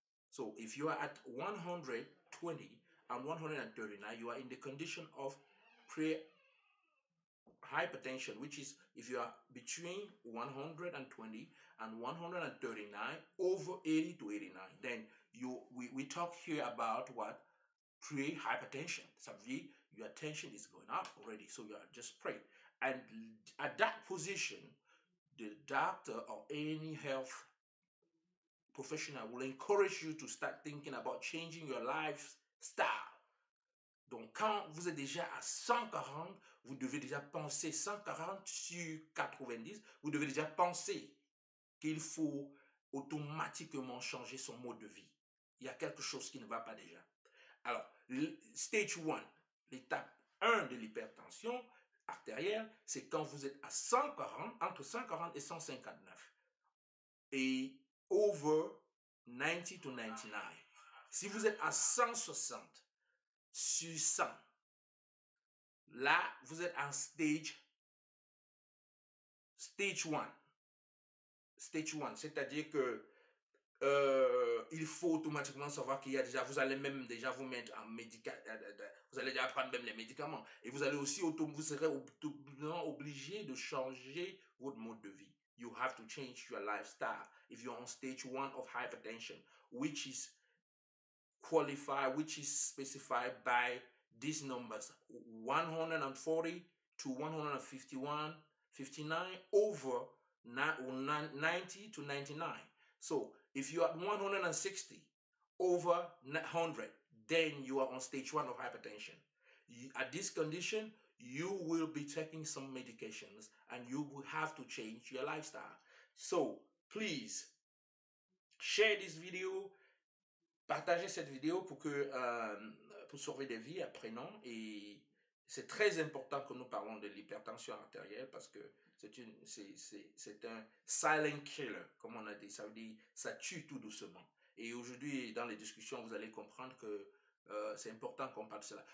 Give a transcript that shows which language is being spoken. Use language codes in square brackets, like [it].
[en] So, if you are at 120 and 139, you are in the condition of pre-hypertension, which is if you are between 120 and 139, over 80 to 89, then we talk here about what pre-hypertension. So your tension is going up already, so you are just pray. And at that position, the doctor or any health professional will encourage you to start thinking about changing your lifestyle. [fr] Donc, quand vous êtes déjà à 140, vous devez déjà penser 140 sur 90, vous devez déjà penser qu'il faut automatiquement changer son mode de vie. Il y a quelque chose qui ne va pas déjà. Alors, stage 1, l'étape 1 de l'hypertension artérielle, c'est quand vous êtes à 140, entre 140 et 159. [en] Et over 90 to 99. [fr] Si vous êtes à 160, sur 100. Là, vous êtes en stage 1. Stage 1, c'est-à-dire que il faut automatiquement savoir qu'il y a déjà, vous allez même déjà vous mettre en vous allez déjà prendre même les médicaments. Et vous allez aussi, vous serez obligé de changer votre mode de vie. [en] You have to change your lifestyle if you're on stage 1 of hypertension, which is qualify, which is specified by these numbers 140 to 151, 59 over 90 to 99. So, if you are 160 over 100, then you are on stage one of hypertension. At this condition, you will be taking some medications and you will have to change your lifestyle. So, please share this video. [fr] Partagez cette vidéo pour que pour sauver des vies après non et c'est très important que nous parlons de l'hypertension artérielle parce que c'est un [en] silent killer [fr] comme on a dit, ça veut dire ça tue tout doucement et aujourd'hui dans les discussions vous allez comprendre que c'est important qu'on parle de cela.